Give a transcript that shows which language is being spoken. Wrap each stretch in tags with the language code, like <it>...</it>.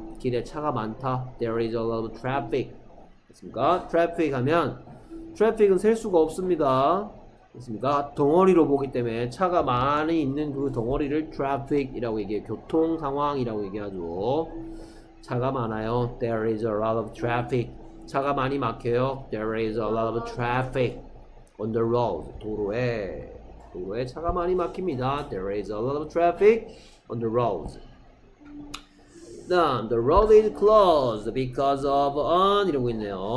<ko>길에 차가 많다.</ko> <en>There is a lot of traffic.</en> <ko>됐습니까? Traffic 하면 traffic은 셀 수가 없습니다. 됐습니까? 덩어리로 보기 때문에 차가 많이 있는 그 덩어리를 traffic이라고 얘기해요. 교통 상황이라고 얘기하죠. 차가 많아요.</ko> <en>There is a lot of traffic.</en> <ko>차가 많이 막혀요.</ko> <en>There is a lot of traffic on the road.</en> <ko>도로에 차가 많이 막힙니다.</ko> <en>There is a lot of traffic on the roads. Then, the road is closed because of an</en> <ko>이러고 있네요.</ko>